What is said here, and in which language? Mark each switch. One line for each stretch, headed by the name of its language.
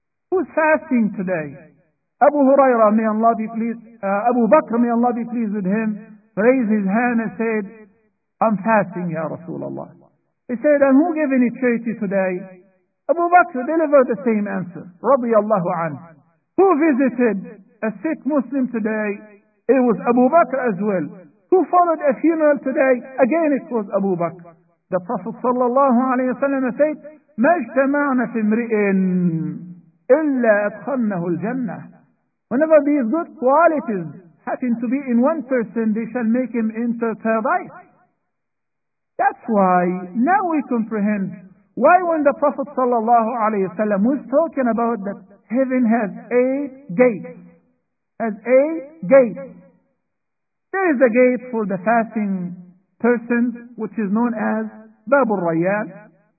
English: Who's fasting today? Abu Huraira, may Allah be pleased, Abu Bakr, may Allah be pleased with him, raised his hand and said, I'm fasting, Ya Rasulullah. He said, and who gave any charity today? Abu Bakr delivered the same answer.
Arabic: رضي الله عنه.
English: Who visited a sick Muslim today? It was Abu Bakr as well. Who followed a funeral today? Again it was Abu Bakr. The Prophet صلى الله عليه وسلم said,
Arabic: ما اجتمعنا في امرئ إلا أدخلنه الجنة.
English: Whenever these good qualities happen to be in one person, they shall make him enter paradise. That's why now we comprehend why when the Prophet sallallahu alayhi wasallam was talking about that heaven has eight gates. Has eight gates. There is a gate for the fasting person, which is known as Babul Rayyan.